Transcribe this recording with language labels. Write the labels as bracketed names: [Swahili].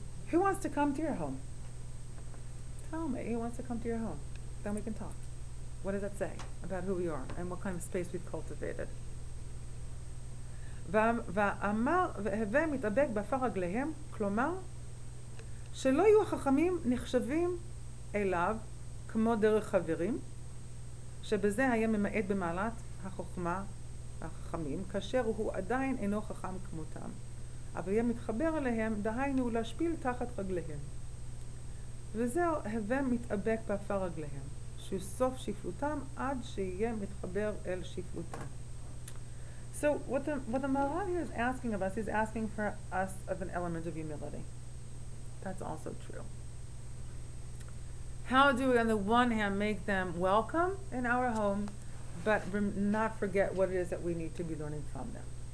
[English] Who wants to come to your home? Tell me, who wants to come to your home? Then we can talk. What does that say about who we are and what kind of space we've cultivated? [Hebrew] ואמר והווה מתאבק בפר רגליהם, כלומר שלא יהיו חכמים נחשבים אליו כמו דרך חברים, שבזה היה ממעט במעלת החוכמה החכמים, כאשר הוא עדיין אינו חכם כמותם, אבל יהיה מתחבר אליהם, דהיינו להשפיל תחת רגליהם. וזה הווה מתאבק בפר רגליהם, שסוף שפלותם עד שיהיה מתחבר אל שפלותם. [English] So what the Maharal here is asking of us, he's asking for us of an element of humility. That's also true. How do we, on the one hand, make them welcome in our home, but not forget what it is that we need to be learning from them?